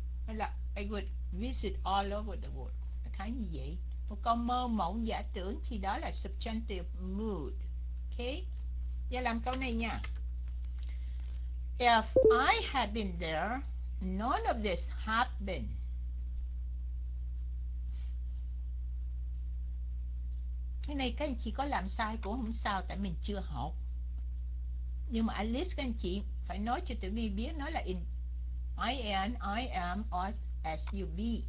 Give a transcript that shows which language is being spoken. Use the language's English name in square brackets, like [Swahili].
[Vietnamese] Hay là [English] I would visit all over the world. [Vietnamese] Khá như vậy. Một câu mơ mộng giả tưởng thì đó là subjunctive mood. Ok. Giờ làm câu này nha. [English] If I had been there, none of this happened. [Vietnamese] Cái này các anh chị có làm sai cũng không sao, tại mình chưa học. Nhưng mà at least các anh chị phải nói cho tụi mình biết, nói là in IN, IM, or SUB.